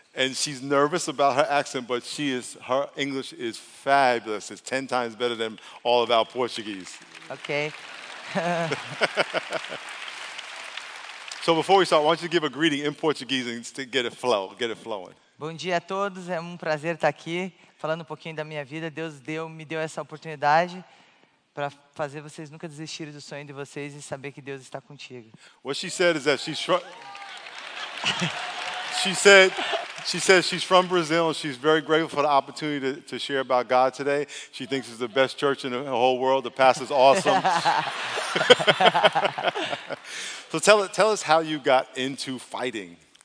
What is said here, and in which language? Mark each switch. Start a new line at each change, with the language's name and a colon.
English: And she's nervous about her accent, but her English is fabulous. It's 10 times better than all of our Portuguese. Okay. So before we start, why don't you give a greeting in Portuguese and get it flowing.
Portuguese: Bom dia a todos, é um prazer estar aqui, falando um pouquinho da minha vida. Deus me deu essa oportunidade para fazer vocês nunca desistirem do sonho de vocês e saber que Deus está contigo.
English: What she said is that she said she's from Brazil and she's very grateful for the opportunity to share about God today. She thinks it's the best church in the whole world. The pastor's awesome. So tell us how you got into fighting.